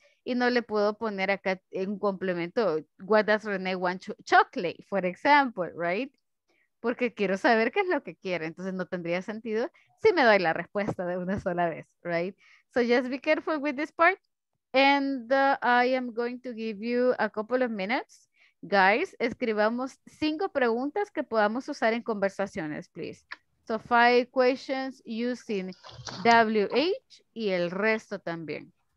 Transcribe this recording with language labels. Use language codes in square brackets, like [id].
[es] Y no le puedo poner acá un complemento. [en] What does René want? [es] Chocolate, [en] for example, [es] right? Porque quiero saber qué es lo que quiere. Entonces no tendría sentido si me doy la respuesta de una sola vez, right? [en] So just be careful with this part. And I am going to give you a couple of minutes. [es] Guys, escribamos 5 preguntas que podamos usar en conversaciones, please. [en] So 5 questions using WH [es] y el resto también.